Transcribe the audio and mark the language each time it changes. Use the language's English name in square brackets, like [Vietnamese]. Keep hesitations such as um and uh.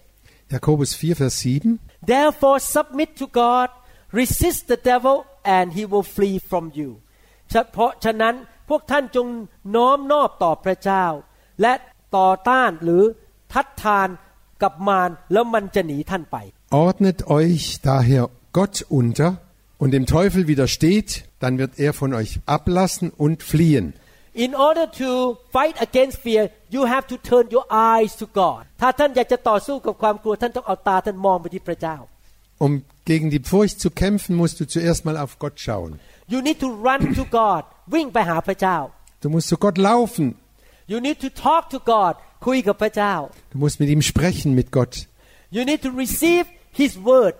[English] 7 Jacobus 4 verse 7 Therefore submit to God resist the devil and he will flee from you [Thai] เพราะฉะนั้นพวกท่านจงน้อมนอบต่อพระเจ้าและต่อต้านหรือทัดทานกับมารแล้วมันจะหนีท่านไป [German] Ordnet euch daher Gott unter und dem Teufel widersteht dann wird er von euch ablassen und fliehen [English] In order to fight against fear, you have to turn your eyes to God. [Thai] ถ้าท่านอยากจะต่อสู้กับความกลัวท่านต้องเอาตาท่านมองไปที่พระเจ้า [German] Um gegen die Furcht zu kämpfen, musst du zuerst mal auf Gott schauen. [English] You need to run to God. [Thai] วิ่งไปหาพระเจ้า [German] Du musst zu Gott laufen. [English] You need to talk to God. [Thai] คุยกับพระเจ้า [German] Du musst mit ihm sprechen mit Gott. [English] You need to receive His word.